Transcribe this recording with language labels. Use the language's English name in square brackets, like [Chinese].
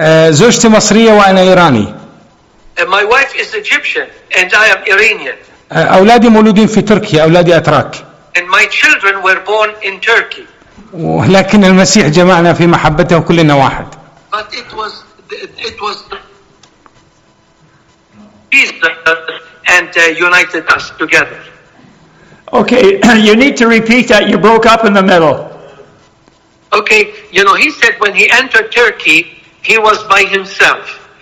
[Arabic] زوجتي مصرية وأنا إيراني. [English] My wife is Egyptian and I am Iranian. [Arabic] أولادي مولودين في تركيا، أولادي أتراك. [English] And my children were born in Turkey. [Arabic] ولكن المسيح جمعنا في محبته وكلنا واحد. [English] But it was peace and united us together. Okay, you need to repeat that. You broke up in the middle. Okay, you know he said when he entered Turkey. He was by himself.